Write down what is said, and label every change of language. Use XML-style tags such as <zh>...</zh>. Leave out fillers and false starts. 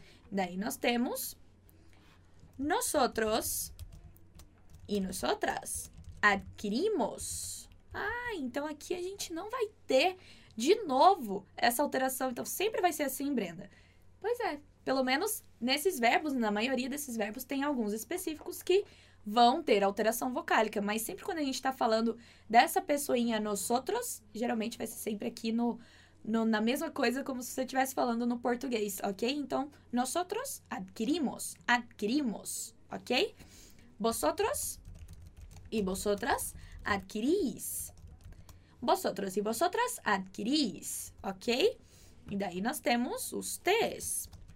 <pt>Daí nós temos...</pt> <es>Nosotros e nosotras adquirimos.</es> <pt>Ah, então aqui a gente não vai ter de novo essa alteração. Então, sempre vai ser assim, Brenda. Pois é, pelo menos nesses verbos, na maioria desses verbos, tem alguns específicos que vão ter alteração vocálica. Mas sempre quando a gente está falando dessa pessoinha nosotros, geralmente vai ser sempre aqui na mesma coisa como se você estivesse falando no português, ok? Então,</pt> <es>nosotros adquirimos, adquirimos, ok? Vosotros e vosotras adquirís. Vosotros e vosotras adquirís, ok?</es> <pt>E daí nós temos</pt> <es>ustedes.</es>